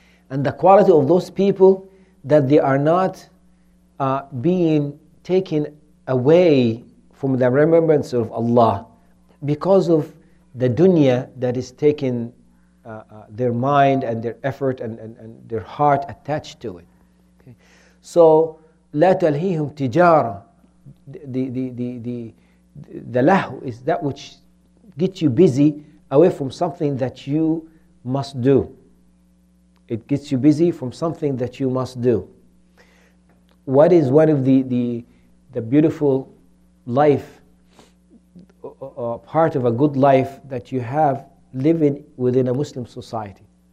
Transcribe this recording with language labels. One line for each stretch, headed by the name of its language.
English: And the quality of those people, that they are not being taken away from the remembrance of Allah because of the dunya that is taking their mind and their effort and their heart attached to it. Okay.
Arabic: So, لا تلهيهم تجارة.
English: The lahu is that which gets you busy away from something that you must do. It gets you busy from something that you must do. What is one of the beautiful life, part of a good life that you have living within a Muslim society?